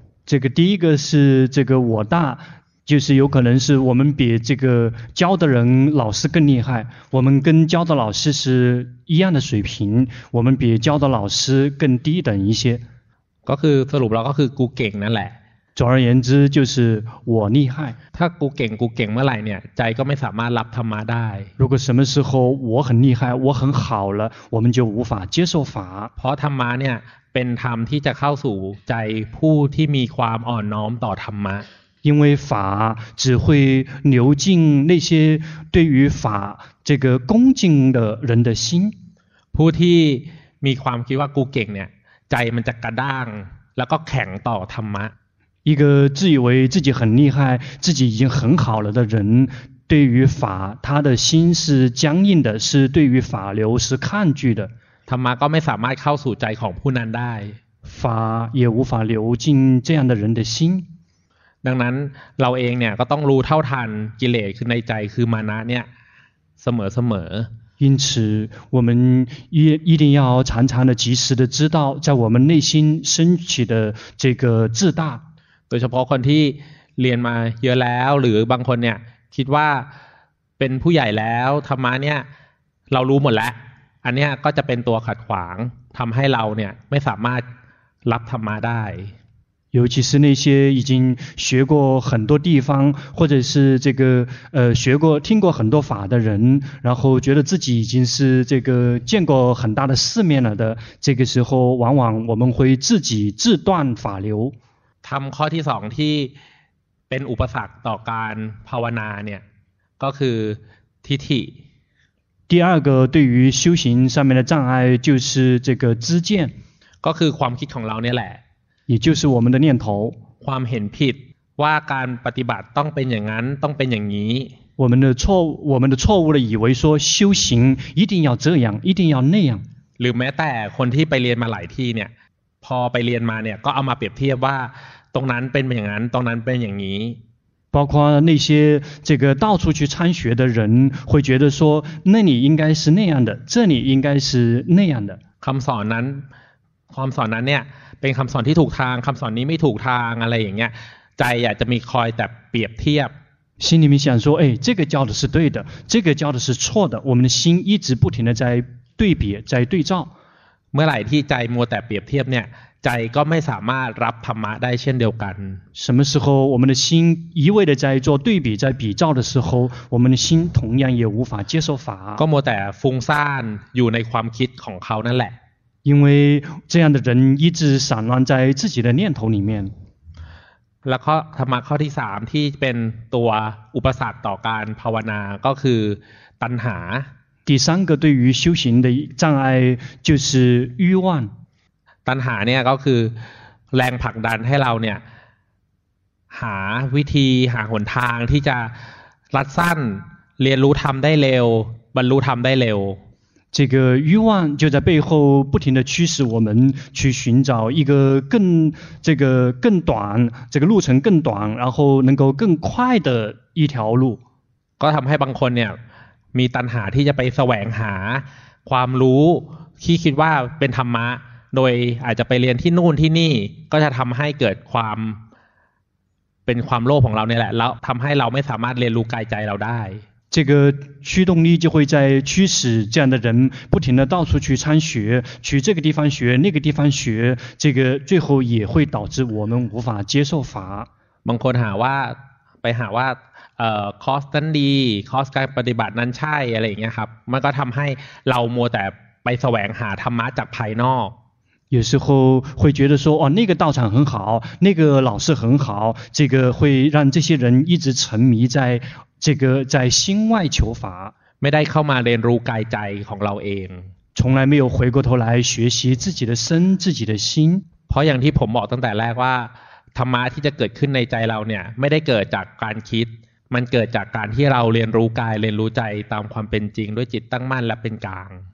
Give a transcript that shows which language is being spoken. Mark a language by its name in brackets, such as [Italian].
[Chinese] 这个第一个是这个我大就是有可能是我们比这个教的人老师更厉害我们跟教的老师是一样的水平我们比教的老师更低等一些 [Thai] ก็คือสรุปเราก็คือกูเก่งนั่นแหละ [Chinese] 总而言之就是我厉害 [Thai] ถ้ากูเก่งกูเก่งเมื่อไหร่เนี่ยใจก็ไม่สามารถรับธรรมะได้ [Chinese] 如果什么时候我很厉害我很好了我们就无法接受法 [Thai] เพราะธรรมะเนี่ยเป็นธรรมที่จะเข้าสู่ใจผู้ที่มีความอ่อนน้อมต่อธรรมะ [Chinese] 因为法只会流进那些对于法这个恭敬的人的心 [Thai] ผู้ที่มีความคิดว่ากูเก่งเนี่ยใจมันจะกระด้างแล้วก็แข็งต่อธรรมะ [Chinese] 一个自以为自己很厉害自己已经很好了的人对于法他的心是僵硬的是对于法流是抗拒的 [Thai] ธรรมะก็ไม่สามารถเข้าสู่ใจของผู้นั้นได้ [Chinese] 法也无法流进这样的人的心 [Thai] ดังนั้นเราเองเนี่ยก็ต้องรู้เท่าทันกิเลสคือในใจคือมานะเนี่ยเสมอ [Chinese] 因此我们一定要常常的及时的知道在我们内心升起的这个自大 [Thai] โดยเฉพาะคนที่เรียนมาเยอะแล้วหรือบางคนเนี่ยคิดว่าเป็นผู้ใหญ่แล้วธรรมะเนี่ยเรารู้หมดแล้วอันเนี้ยก็จะเป็นตัวขัดขวางทำให้เราเนี่ยไม่สามารถรับธรรมะได้ [Chinese] 尤其是那些已经学过很多地方或者是这个学过听过很多法的人然后觉得自己已经是这个见过很大的世面了的这个时候往往我们会自己自断法流 [Thai] ทำข้อที่สองที่เป็นอุปสรรคต่อการภาวนาเนี่ยก็คือทิฏฐิ [Chinese] 第二个对于修行上面的障碍就是这个知见 [Thai] ก็คือความคิดของเราเนี่ยแหละ [Chinese] 也就是我们的念头 [Thai] ความเห็นผิดว่าการปฏิบัติต้องเป็นอย่างนั้นต้องเป็นอย่างนี้ [Chinese] 我们的错误的以为说修行一定要这样一定要那样 [Thai] หรือแม้แต่คนที่ไปเรียนมาหลายที่เนี่ยพอไปเรียนมาเนี่ยก็เอามาเปรียบเทียบว่าตรงนั้นเป็นอย่างนั้นตรงนั้นเป็นอย่างนี้ [Chinese] 包括那些这个到处去参学的人会觉得说那里应该是那样的这里应该是那样的 [Thai] คำสอนนั้นเนี่ยเป็นคำสอนที่ถูกทางคำสอนนี้ไม่ถูกทางอะไรอย่างเงี้ยใจอยากจะมีคอยแต่เปรียบเทียบ [Chinese] 心里面想说哎这个教的是对的这个教的是错的我们的心一直不停的在对比在对照 [Thai] เมื่อไหร่ที่ใจมัวแต่เปรียบเทียบเนี่ยใจก็ไม่สามารถรับธรรมะได้เช่นเดียวกัน [Chinese] 什么时候我们的心一味的在做对比在比照的时候我们的心同样也无法接受法 [Thai] ก็มัวแต่ฟุ้งซ่านอยู่ในความคิดของเขานั่นแหละ [Chinese] 因为这样的人一直散乱在自己的念头里面 [Thai] แล้วก็ธรรมะข้อที่3ที่เป็นตัวอุปสรรคต่อการภาวนาก็คือตัณหา [Chinese] 第三个对于修行的障碍就是欲望 [Thai] ตัณหาเนี่ยก็คือแรงผลักดันให้เราเนี่ยหาวิธีหาหนทางที่จะรัดสั้นเรียนรู้ธรรมได้เร็วบรรลุธรรมได้เร็ว [Chinese] 这个欲望就在背后不停地驱使我们去寻找一个更这个更短这个路程更短然后能够更快的一条路 [Thai] ก็ทำให้บางคนเนี่ยมีตัณหาที่จะไปแสวงหาความรู้ที่คิดว่าเป็นธรรมะโดยอาจจะไปเรียนที่นู่นที่นี่ก็จะทำให้เกิดความเป็นความโลภของเราเนี่ยแหละแล้วทำให้เราไม่สามารถเรียนรู้กายใจเราได้ [Chinese] 这个驱动力就会在驱使这样的人不停地到处去参学去这个地方学那个地方学这个最后也会导致我们无法接受法 [Thai] บางคนหาว่าไปหาว่าคอร์สนั้นดีคอร์สการปฏิบัตินั้นใช่อะไรอย่างเงี้ยครับมันก็ทำให้เรามัวแต่ไปแสวงหาธรรมะจากภายนอก [Chinese] 有时候会觉得说哦，那个道场很好那个老师很好这个会让这些人一直沉迷在这个在心外求法 [Thai] ไม่ได้เข้ามาเรียนรู้กายใจของเราเอง [Chinese] 从来没有回过头来学习自己的身自己的心 [Thai] เพราะอย่างที่ผมบอกตั้งแต่แรกว่าธรรมะที่จะเกิดขึ้นในใจเราเนี่ยไม่ได้เกิดจากการคิดมันเกิดจากการที่เราเรียนรู้กายเรียนรู้ใจตามความเป็นจริงด้วยจิตตั้งมั่นและเป็นกลาง